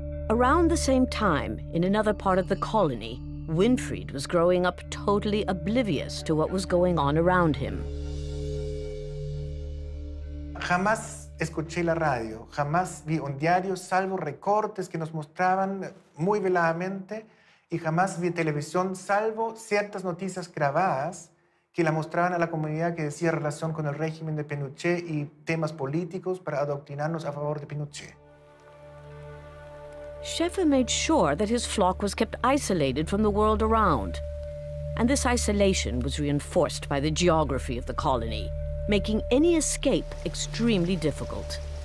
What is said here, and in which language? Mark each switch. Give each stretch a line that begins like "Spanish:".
English: Around the same time, in another part of the colony, Winfried was growing up totally oblivious to what was going on around him.
Spanish: Jamás escuché la radio, jamás vi un diario, salvo recortes que nos mostraban muy veladamente, y jamás vi televisión, salvo ciertas noticias grabadas que la mostraban a la comunidad que decía relación con el régimen de Pinochet y temas políticos para adoctrinarnos a favor de Pinochet.
English: Schaefer made sure that his flock was kept isolated from the world around. And this isolation was reinforced by the geography of the colony, making any escape extremely difficult.